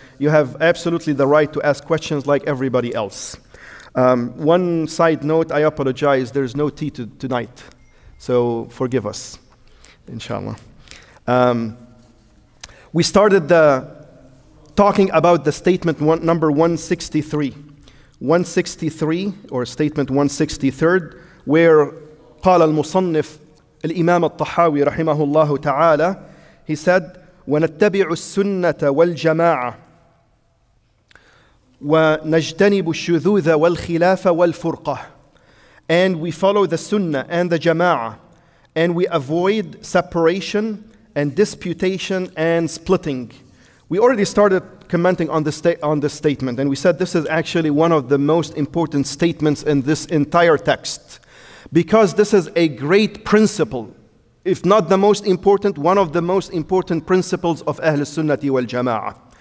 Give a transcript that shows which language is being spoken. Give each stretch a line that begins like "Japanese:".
English: You have absolutely the right to ask questions like everybody else. One side note, I apologize, there's no tea tonight. So forgive us, inshallah. We started talking about the statement number 163. 163, or statement 163rd, where
Arabic: قال المصنف الإمام الطحاوي رحمه الله تعالى,
English: he said,
Arabic: ونتبع السنة والجماعة ونجتنب الشذوذ والخلاف والفرقة.
English: And we follow the sunnah and the jama'ah, and we avoid separation and disputation and splitting. We already started commenting on this statement, and we said this is actually one of the most important statements in this entire text, because this is a great principle, if not the most important, one of the most important principles of Ahl Sunnah wal Jama'ah.